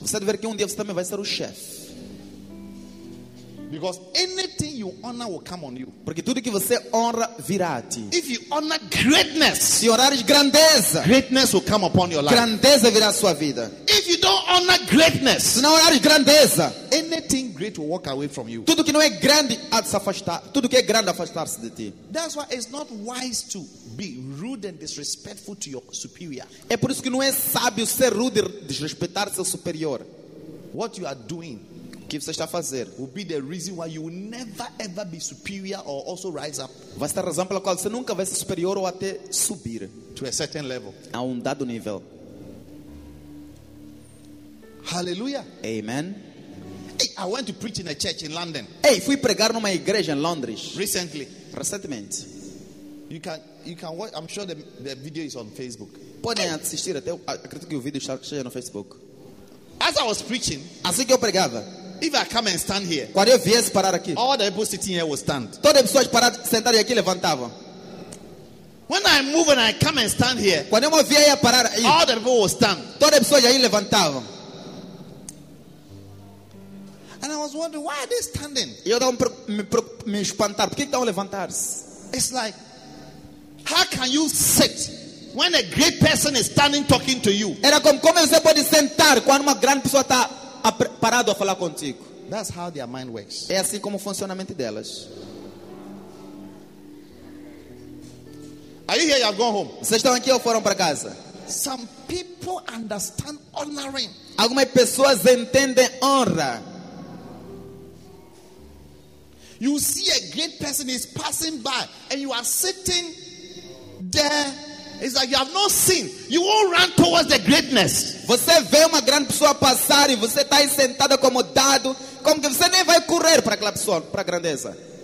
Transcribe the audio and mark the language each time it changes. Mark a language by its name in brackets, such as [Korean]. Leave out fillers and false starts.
[Portuguese] Você vai ver que dia você também vai ser o chefe. [English] Because anything you honor will come on you. [Portuguese] Porque tudo que você honra virá a ti. [English] If you honor greatness, [Portuguese] se honrares grandeza, [English] greatness will come upon your life. [Portuguese] Grandeza virá a sua vida. [English] If you don't honor greatness, [Portuguese] se não honrares grandeza, [English] anything great will walk away from you. [Portuguese] Tudo que não é grande há de se afastar. Tudo que é grande afastar-se de ti. [English] That's why it's not wise to be rude and disrespectful to your superior. [Portuguese] É por isso que não é sábio ser rude e desrespeitar seu superior. [English] What you are doing, [Portuguese] que você está a fazer, [English] will be the reason why you will never ever be superior or also rise up. [Portuguese] Vai ser a razão pela qual você nunca vai ser superior ou até subir [English] to a certain level. [Portuguese] A dado nível. [English] Hallelujah. Amen. Hey, I went to preach in a church in London. [Portuguese] Hey, fui pregar numa igreja em Londres. [English] Recently. [Portuguese] Recentemente. [English] You can watch. I'm sure the video is on Facebook. [Portuguese] Podem assistir até. Acredito que o vídeo esteja no Facebook. [English] As I was preaching, [Portuguese] assim que eu pregava, [English] if I come and stand here, [Portuguese] quando eu viesse parar aqui, [English] all the people sitting here will stand. [Portuguese] Todas as pessoas parar sentar aqui levantavam. [English] When I move and I come and stand here, [Portuguese] quando eu me vier a parar aí, [English] all the people will stand. [Portuguese] Todas as pessoas aí levantavam. [English] And I was wondering, why are they standing? [Portuguese] Eu estava me espantar. Por que estão a levantar-se? [English] It's like, how can you sit when a great person is standing talking to you? [Portuguese] Era como você pode sentar quando uma grande pessoa está parado a falar contigo. [English] That's how their mind works. [Portuguese] É assim como funciona a mente delas. [English] Are you here? You're going home. [Portuguese] Vocês estão aqui ou foram para casa? [English] Some people understand honoring. [Portuguese] Algumas pessoas entendem honra. [English] You see a great person is passing by and you are sitting there. It's like you have no sin. You won't run towards the greatness. [Portuguese] Você vê uma grande pessoa passar e você está aí sentado acomodado, como que você nem vai correr para aquela pessoa, para a grandeza.